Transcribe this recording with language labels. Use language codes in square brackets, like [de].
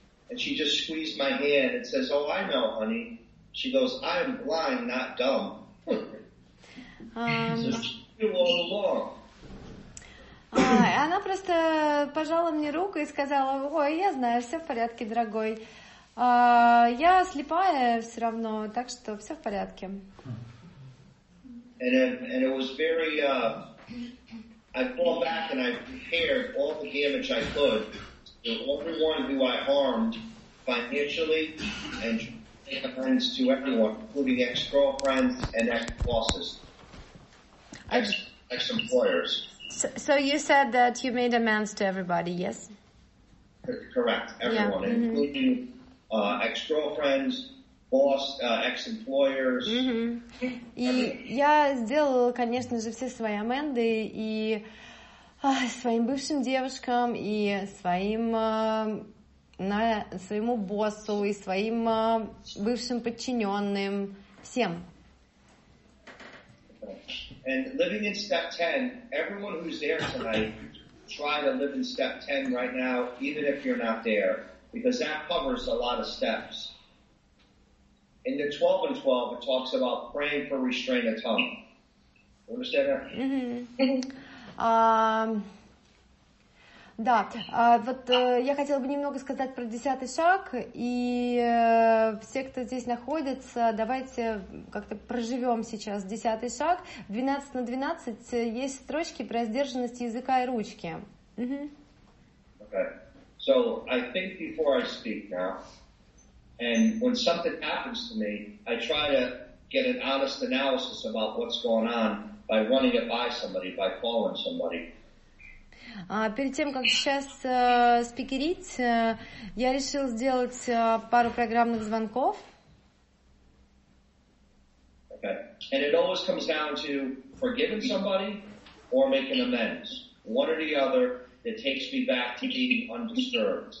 [en] And she just squeezed my hand and says, oh, I know, honey. She goes, I'm blind, not dumb. So she knew all along. [ru] Она просто пожала мне руку и сказала, ой, я знаю, все в порядке, дорогой. Я слепая все равно, так что все в порядке. [en] And it was very, I fall back and I prepared all the damage I could to everyone who I harmed financially and friends to everyone, including ex-girlfriends and ex-bosses, ex-employers. So you said that you made amends to everybody, yes? Correct, everyone, yeah. Mm-hmm. Including ex-girlfriends, ex-employers. [ru] Mm-hmm. И я сделала, конечно же, все свои аменды и своим бывшим девушкам, и своим своему боссу, и своим бывшим подчиненным, всем. [en] And living in step 10, everyone who's there tonight, try to live in step 10 right now, even if you're not there, because that covers a lot of steps. In the 12 and 12, it talks about praying for restraint of tongue. Understand that? [ru] Да, вот я хотела бы немного сказать про десятый шаг, и все, кто здесь находится, давайте как-то проживем сейчас десятый шаг. 12 на 12 есть строчки про сдержанность языка и ручки. [en] Okay, so I think before I speak now, and when something happens to me, I try to get an honest analysis about what's going on by running it by somebody, by calling somebody. [ru] Перед тем, как сейчас спикерить, я решил сделать пару программных звонков. [en] Okay. And it always comes down to forgiving somebody or making amends. One or the other, it takes me back to being undisturbed.